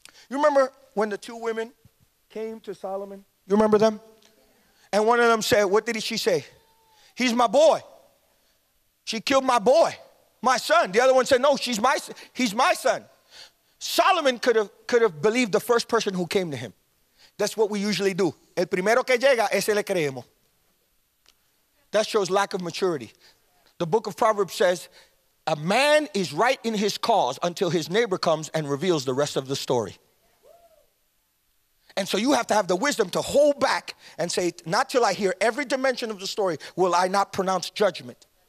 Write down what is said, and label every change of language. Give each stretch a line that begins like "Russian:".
English: You remember when the two women came to Solomon? You remember them? And one of them said, what did she say? He's my boy. She killed my boy, my son. The other one said, no, he's my son. Solomon could have believed the first person who came to him. That's what we usually do.
Spanish: El primero que llega, ese le creemos.
English: That shows lack of maturity. The book of Proverbs says, a man is right in his cause until his neighbor comes and reveals the rest of the story. And so you have to have the wisdom to hold back and say, not till I hear every dimension of the story will I not pronounce judgment.